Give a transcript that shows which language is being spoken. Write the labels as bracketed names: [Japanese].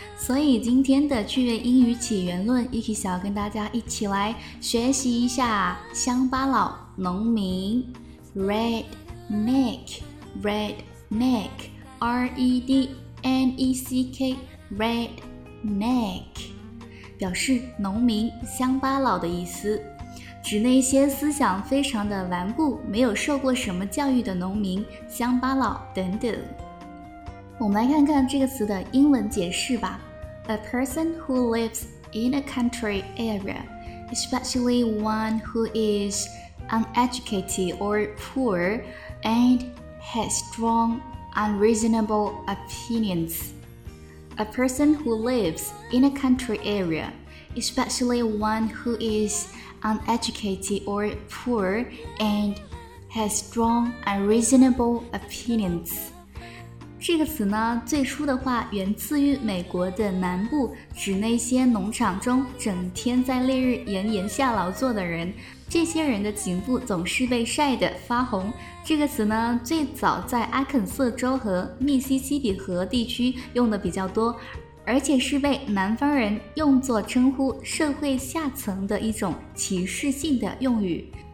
[Chinese] 所以今天的趣味英语起源论 ，Yuki 想要跟大家一起来学习一下乡巴佬农民 ，redneck，redneck，redneck，表示农民、乡巴佬的意思。指那些思想非常的顽固，没有受过什么教育的农民、乡巴佬等等。我们来看看这个词的英文解释吧。 [English] A person who lives in a country area, especially one who is uneducated or poor and has strong, unreasonable opinions. A person who lives in a country area, especially one who isuneducated or poor and has strong unreasonable opinions. [Chinese] 这个词呢，最初的话源自于美国的南部，指那些农场中整天在烈日炎炎下劳作的人。这些人的颈部总是被晒得发红。这个词呢，最早在阿肯色州和密西西比河地区用的比较多，而且是被南方人用作称呼社会下层的一种歧视性的用语。